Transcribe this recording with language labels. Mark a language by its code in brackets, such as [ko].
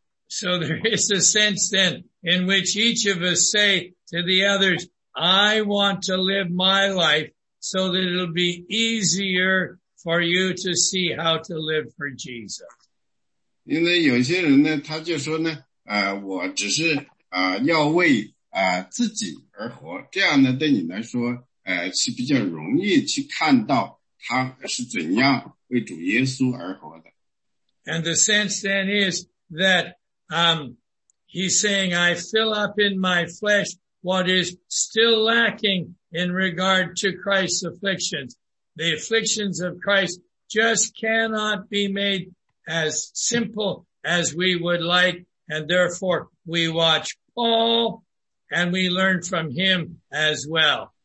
[en] So there is a sense then in which each of us say to the others, I want to live my life so that it'll be easier for you to see how to live for Jesus. [zh] 因为有些人呢，他就说呢，我只是要为自己而活，这样呢对你来说，是比较容易去看到他是怎样为主耶稣而活的。 [en] And the sense then is that he's saying, I fill up in my flesh what is still lacking in regard to Christ's afflictions. The afflictions of Christ just cannot be made as simple as we would like, and therefore we watch Paul, and we learn from him as well.